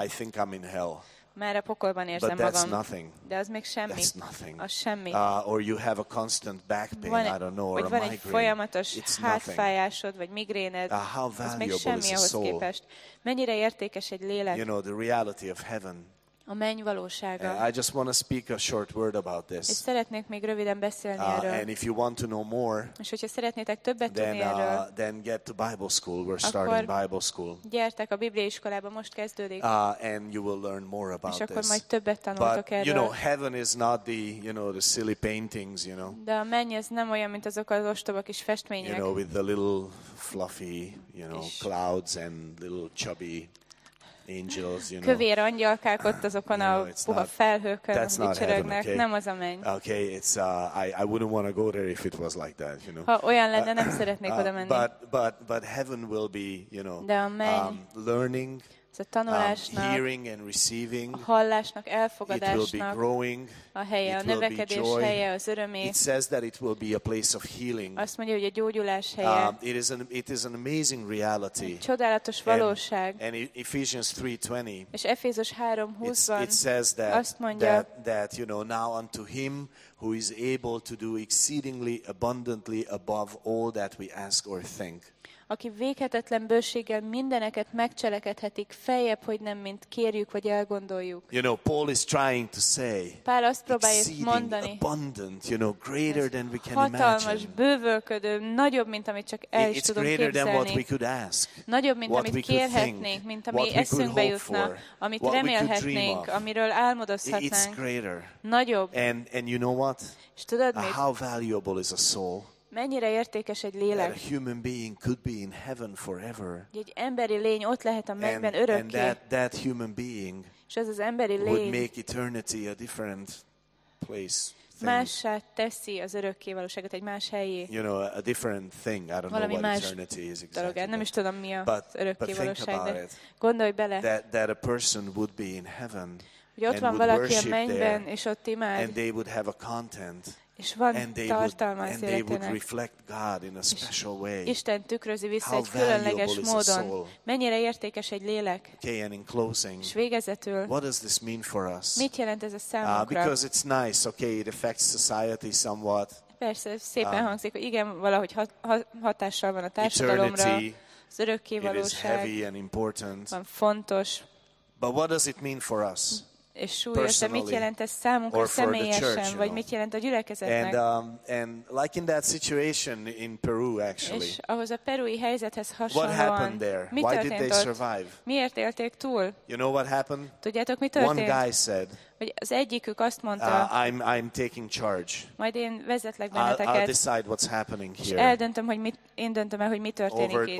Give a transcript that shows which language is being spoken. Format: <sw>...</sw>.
<en>I think I'm in hell.</en> <hu>Mert a pokolban érzem</hu> <en>but that's</en> <hu>magam.</hu> <en>Nothing.</en> <hu>De az még semmi.</hu> <en>That's nothing.</en> <hu>Az semmi.</hu> <en>Or you have a constant back pain,</en> <hu>van,</hu> <en>I don't know, or a migraine.</en> <hu>Vagy van egy folyamatos hátfájásod, vagy migréned.</hu> <en>How valuable is a soul?</en> <hu>Az még semmi ahhoz képest. Mennyire értékes egy lélek?</hu> <en>You know, the reality of heaven.</en> <hu>A menny valósága.</hu> <en>I just want to speak a short word about this.</en> <hu>És szeretnék még röviden beszélni erről.</hu> <en>And if you want to know more,</en> <hu>és hogyha szeretnétek többet tudni erről,</hu> <en>then get to Bible school. We're starting Bible school.</en> <hu>Gyertek a Biblia iskolába, most kezdődik.</hu> <en>And you will learn more about this.</en> <hu>És akkor majd többet tanultok</hu> <en>but,</en> <hu>erről.</hu> <en>You know, heaven is not the, you know, the silly paintings, you know.</en> <hu>De a menny az nem olyan, mint azok az ostoba kis festmények.</hu> <en>You know, with the little fluffy, you know, clouds and little chubby angels, you know.</en> <hu>Kövér angyalkák ott azokon no, a puha felhőkön vicsörögnek, okay. Nem az a menny.</hu> <en>Okay, it's I wouldn't want to go there if it was like that, you know.</en> <hu>Ha olyan lenne, nem szeretnék oda menni.</hu> <en>But heaven will be, you know, learning,</en> <hu>a tanulásnak,</hu> <en>hearing and receiving,</en> <hu>a hallásnak, elfogadásnak,</hu> <en>it will be growing,</en> <hu>a helye, a növekedés helye, az örömé.</hu> <en>It says that it will be a place of healing.</en> <hu>Azt mondja, hogy a gyógyulás helye.</hu> <en>It is an amazing reality.</en> <hu>Egy csodálatos valóság.</hu> <en>And Ephesians 3:20.</en> <hu>És Efézus 3:20-ban</hu> <en>it says that,</en> <hu>azt mondja,</hu> <en>that you know now unto him who is able to do exceedingly abundantly above all that we ask or think.</en> <hu>Aki végetetlen bőséggel mindeneket megcselekedhetik feljebb, hogy nem mint kérjük vagy elgondoljuk.</hu> <en>You know, Paul is trying to say,</en> <hu>Pál azt próbálja mondani,</hu> <en>abundant, you know, greater than we can imagine.</en> <hu>Hatalmas, bővölködő, nagyobb, mint amit csak el is tudunk képzelni. It's greater than what we could ask. Nagyobb, mint amit kérhetnénk, mint ami eszünkbe jutna, amit remélhetnénk, amiről álmodozhatnánk.</hu> <en>It's greater.</en> <hu>Nagyobb.</hu> <en>And you know what?</en> <hu>És tudod mit?</hu> <en>How valuable is a soul?</en> <hu>Mennyire értékes egy lélek?</hu> <en>That a human being could be in heaven forever.</en> <hu>Egy emberi lény ott lehet a mennyben örökké.</hu> <en>And that human being would make eternity a different place.</en> <hu>Mássá teszi az örökké valóságot egy más helyé.</hu> <en>You know, a different thing. I don't</en> <hu>valami</hu> <en>know what eternity is exactly.</en> <hu>Dolog. Nem is tudom mi a örökké valóság. But gondolj bele. That a person would be in heaven. Hogy ott van valaki a mennyben és ott imád. And they would have a content. És van tartalma az életének. És Isten tükrözi vissza egy különleges módon. Mennyire értékes egy lélek.</hu> <en>Okay, and in closing,</en> <hu>és végezetül,</hu> <en>what does this mean for us?</en> <hu>Mit jelent ez a számunkra?</hu> <en>Because it's nice, okay, it affects society somewhat.</en> <hu>Persze, szépen hangzik, hogy igen, valahogy hatással van a társadalomra.</hu> <en>Eternity,</en> <hu>az örökké valóság.</hu> <en>It is heavy and important.</en> <hu>Van fontos.</hu> <en>But what does it mean for us?</en> <hu>És súlyos, de mit jelent ez számunkra személyesen,</hu> <en>church,</en> <hu>vagy</hu> <en>you know?</en> <hu>Mit jelent a gyülekezetnek?</hu> <en>And like in that situation in Peru, actually.</en> <hu>És ahhoz a perui helyzethez hasonlóan, mi történt ott? Miért élték túl?</hu> <en>You know what happened?</en> <hu>Tudjátok, mi történt?</hu> <en>One guy said,</en> <hu>hogy az egyikük azt mondta,</hu> <en>I'm taking charge.</en> <hu>Majd én vezetlek benneteket.</hu> <en>I'll decide what's happening here.</en> <hu>És eldöntöm, hogy én döntöm el, hogy mi történik itt.</hu>